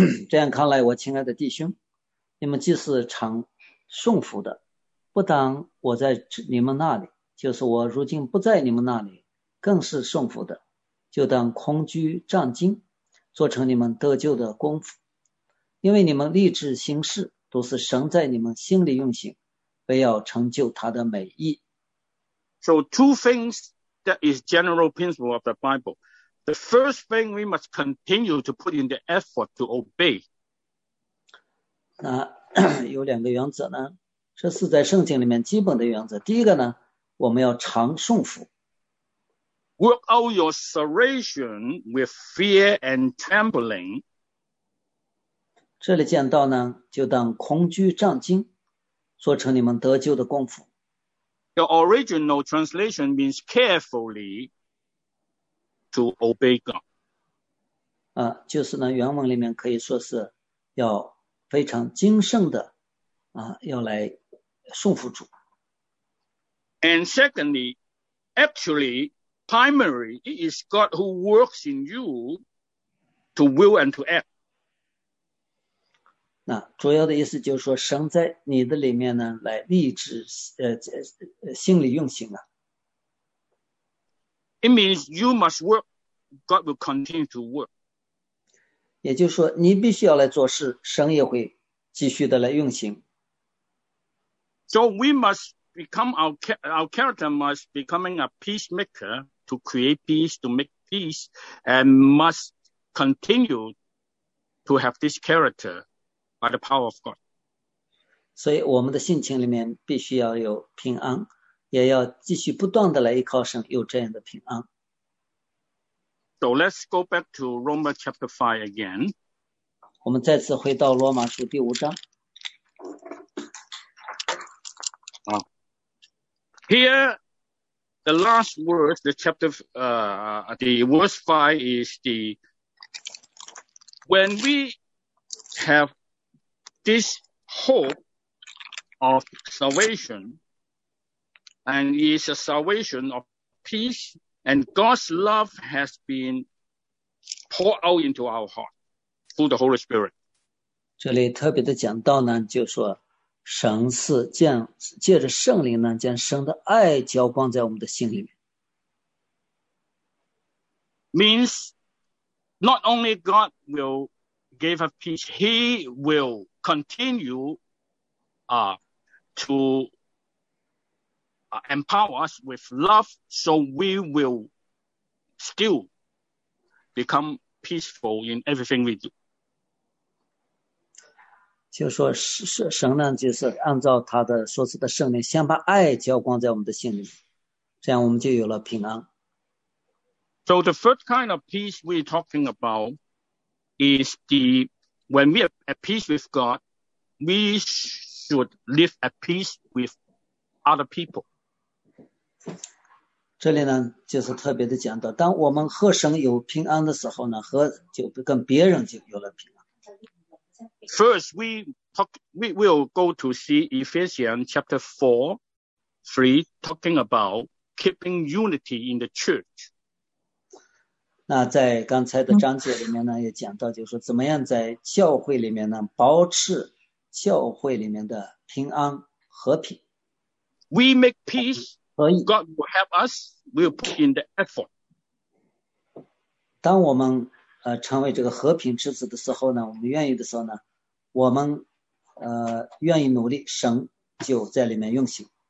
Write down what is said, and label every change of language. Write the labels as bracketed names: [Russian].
[Chinese] 这样看来，我亲爱的弟兄，你们既是常送福的，不当我在你们那里，就是我如今不在你们那里，更是送福的，就当空居战兢，做成你们得救的功夫。因为你们立志行事，都是神在你们心里运行，非要成就他的美意。 [English] So two things that is general principle of the Bible. The first thing we must continue to put in the effort to obey. [Chinese] 那有两个原则呢，这是在圣经里面基本的原则。第一个呢，我们要常顺服。 [English] Work out your salvation with fear and trembling. [Chinese] 这里见到呢，就当恐惧战惊，做成你们得救的功夫。 [English] The original translation means carefully to obey God. [Chinese] 就是呢，原文里面可以说是要非常谨慎的要来顺服主。 [English] And secondly, actually, primary, it is God who works in you to will and to act. [Chinese] 那主要的意思就是说，神在你的里面呢，来立志心里运行啊。 [English] It means you must work, God will continue to work. [Chinese] 也就是说，你必须要来做事，神也会继续的来运行。 [English] So we must become our character must becoming a peacemaker to create peace, to make peace, and must continue to have this character by the power of God. [Chinese] 所以我们的性情里面必须要有平安，也要继续不断的来依靠神，有这样的平安。 [English] So let's go back to Romans chapter 5 again. [Chinese] 我们再次回到罗马书第五章。 [English] Here, the last word, the chapter, the verse 5 is the, when we have this hope of salvation, and it's a salvation of peace, and God's love has been poured out into our heart through the Holy Spirit. [Chinese] 这里特别的讲到呢，就是说神是借着圣灵呢，将神的爱浇灌在我们的心里面。 [English] Means not only God will give us peace, He will continue to empower us with love, so we will still become peaceful in everything we do. [Chinese] 就说神呢，就是按照他的所赐的圣灵，先把爱浇灌在我们的心里，这样我们就有了平安。 [English] So the first kind of peace we're talking about is the when we are at peace with God, we should live at peace with other people. [Chinese] 这里呢，就是特别的讲到，当我们和神有平安的时候呢，和就跟别人就有了平安。 [English] First, we will go to see Ephesians chapter 4, 3, talking about keeping unity in the church. [Chinese] 那在刚才的章节里面呢，也讲到，就是说怎么样在教会里面呢，保持教会里面的平安和平。 [English] We make peace, God will help us, we'll put in the effort. [Chinese] 当我们成为这个和平之子的时候呢，我们愿意的时候呢，我们愿意努力，神就在里面运行。